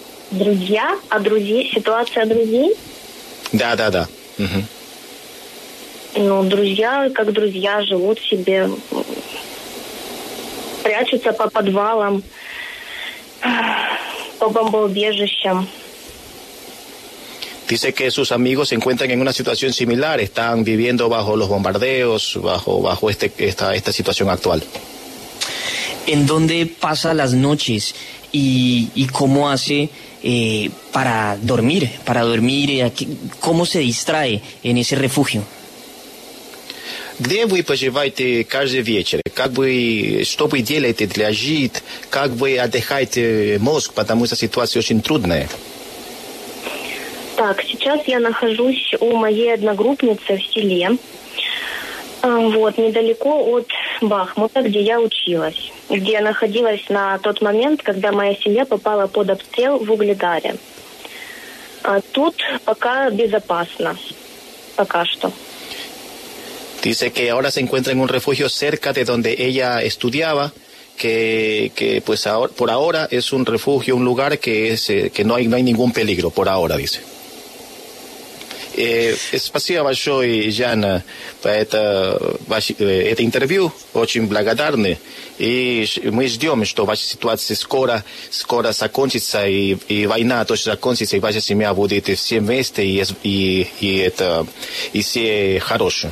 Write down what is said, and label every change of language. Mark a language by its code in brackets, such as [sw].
[ru] Друзья? А друзья? Ситуация друзей? Да, да, да. Угу. Ну, друзья, как друзья, живут себе, прячутся по подвалам, по бомбоубежищам. [es] Dice que sus amigos se encuentran en una situación similar, están viviendo bajo los bombardeos, bajo esta situación actual. ¿En dónde pasa las noches y cómo hace para dormir? ¿Cómo se distrae en ese refugio? [ru] Где вы поживаете каждый вечер? Что вы делаете для жить? Как вы отдыхаете мозг, потому что ситуация очень трудная? Так, сейчас я нахожусь у моей одногруппницы в селе, вот, недалеко от Бахмута, где я училась, где я находилась на тот момент, когда моя семья попала под обстрел в Угледаре. Тут пока безопасно, пока что. [es] Dice que ahora se encuentra en un refugio cerca de donde ella estudiaba, que pues ahora, por ahora es un refugio, un lugar que no hay ningún peligro, por ahora, dice. [ru] Спасибо большое, Яна, это интервью. Очень благодарны. И мы ждем, что ваша ситуация скоро закончится, и война тоже закончится, и ваша семья будет все вместе, и все хорошие.